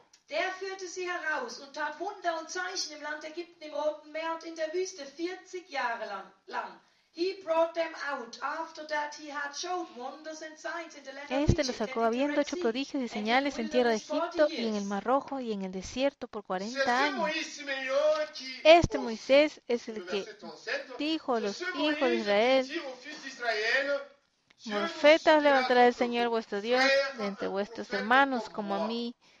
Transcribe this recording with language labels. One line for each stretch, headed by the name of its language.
German: Der führte sie heraus und tat Wunder und Zeichen im Land Ägypten, im Roten Meer und in der Wüste 40 Jahre lang.
English: He brought them out after that he had showed wonders and signs in the land of Egypt.
Spanish: Este lo sacó habiendo hecho prodigios y señales en tierra de Egipto y en el Mar Rojo y en el desierto por 40 años. Este Moisés es el que dijo a los hijos de Israel: profetas levantará el Señor vuestro Dios de entre vuestros hermanos como a mí.